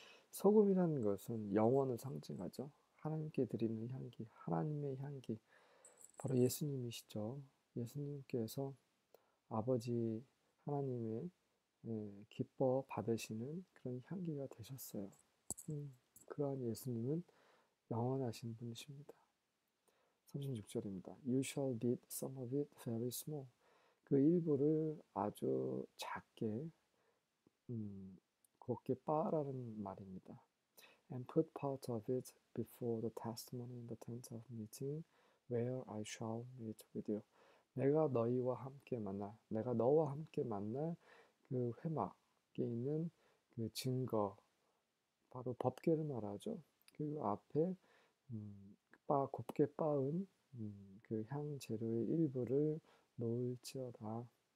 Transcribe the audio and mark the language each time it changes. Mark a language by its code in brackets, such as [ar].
[ko] 소금이라는 것은 영원을 상징하죠. 하나님께 드리는 향기, 하나님의 향기, 바로 예수님이시죠. 예수님께서 아버지 하나님의 기뻐 받으시는 그런 향기가 되셨어요. 그러한 예수님은 영원하신 분이십니다. 36절입니다. [en] You shall beat some of it very small. [ko] 그 일부를 아주 작게 곱게 빻으라는 말입니다. [en] And put part of it before the testimony in the tent of meeting where I shall meet with you. [ko] 내가 너희와 함께 만날, 내가 너와 함께 만날 그 회막에 있는 그 증거, 바로 법궤를 말하죠. 그 앞에 곱게 빻은 그 향재료의 일부를 놓을지어다.